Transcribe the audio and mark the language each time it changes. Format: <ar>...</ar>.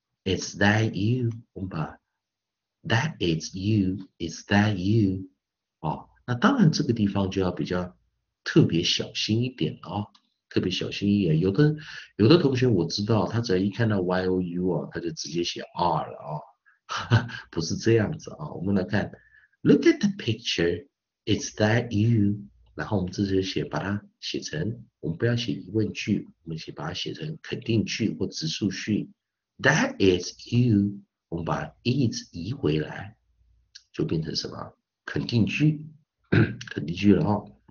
<en>Is that you？</en> <zh>我们把</zh> <en>that is you， is that you？</en> <zh>哦，那当然这个地方就要比较特别小心一点了。特别小心翼翼，有的同学我知道，他只要一看到 you 啊，他就直接写 r 了啊，不是这样子啊。我们来看</zh> <en>，look at the picture， is that you？</en> <zh>然后我们这就写，把它写成，我们不要写疑问句，我们写把它写成肯定句或直述句。</zh> <en>That is you，</en> <zh>我们把 is 移回来，就变成什么肯定句，肯定句了啊。</zh>